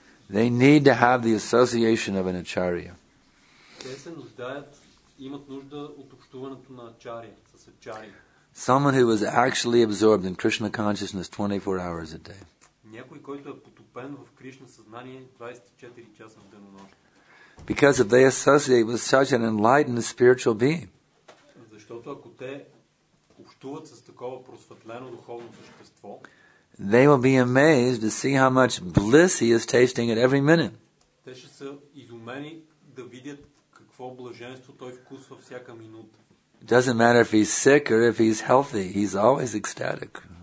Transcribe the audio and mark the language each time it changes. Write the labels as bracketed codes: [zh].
[en] They need to have the association of an acharya. [bg] Те се нуждаят, имат нужда от общуването на ачария, с ачария. [en] Someone who is actually absorbed in Krishna consciousness 24 hours a day. [bg] Някой, който е потопен в Кришна съзнание 24 часа в денонощ. [en] Because if they associate with such an enlightened spiritual being. [bg] Защото ако те общуват с такова просветлено духовно същество, [en] they will be amazed to see how much bliss he is tasting at every minute. [bg] Те ще са изумени да видят какво блаженство той вкусва всяка минута. [en] It doesn't matter if he's sick or if he's healthy, he's always ecstatic.